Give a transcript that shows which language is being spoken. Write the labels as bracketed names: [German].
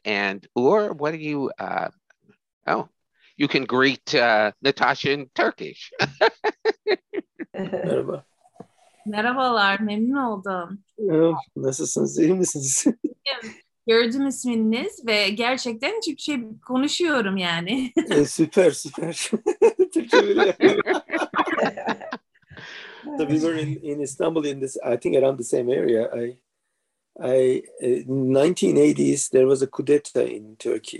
[English] And Ur, what are you? You can greet Natacha in Turkish. [Turkish] Merhaba. Merhabalar, memnun oldum. Nasılsınız, iyi misiniz? Gördüm isminiz ve gerçekten Türkçe konuşuyorum yani. Süper. Türkçe biliyorum. [English] So we were in Istanbul in this, I think around the same area. I 1980s, there was a coup d'etat in Turkey.